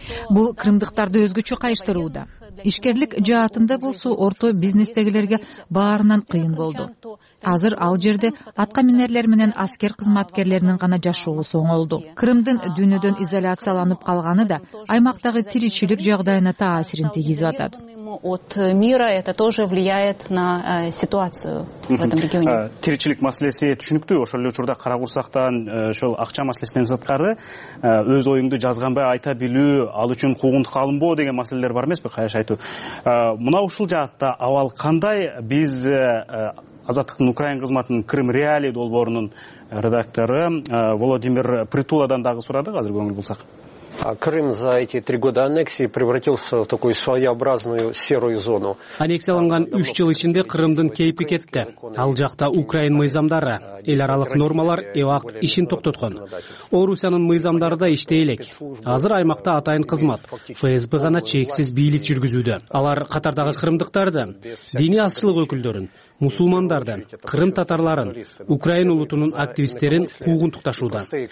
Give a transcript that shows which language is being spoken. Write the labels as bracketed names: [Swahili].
[Kyrgyz] Бул кырымдыктарды өзгөчө кайыштырууда. Ишкерлик жаатында болсо орто бизнестегилерге баарынан кыйын болду. Азыр ал жерде атка минерлер менен аскер кызматкерлеринин гана жашоосу оңолду. Кырымдын дүйнөдөн изоляцияланып калганы да аймактагы тиричилик жагдайына таасирин тийгизип атат. [Russian] От мира это тоже влияет на ситуацию в этом регионе. [Kyrgyz] Тиричилик маселеси түшүнүктүү. Ошол эле учурда кара курсактан ошол акча маселесинен сырткары өз оюңду жазганбай айта билүү, ал үчүн куугунтук алынбоо деген маселелер бар эмеспи? Каяш айтуу. Мына ушул жаатта абал кандай? Биз Азаттыктын Украин кызматынын Кырым реалий долбоорунун редактору Володимир Притуладан дагы сурадык, азыр көңүл булсак. [Russian] Крым за эти три года аннексии превратился в такую своеобразную серую зону. [Kyrgyz] Аннексияланган 3 жыл ичинде Кырымдын кейпи кетти. Ал жакта Украин мыйзамдары, эл аралык нормалар эвак ишин токтоткон. Орусиянын мыйзамдары да иштей элек. Азыр аймакта атайын кызмат, ФСБ гана чексиз бийлик жүргүзүүдө. Алар Катардагы кырымдыктарды, диний азчылык өкүлдөрүн, мусулмандарды, кырым татарларын, Украин улутунун активисттерин куугунтукташууда.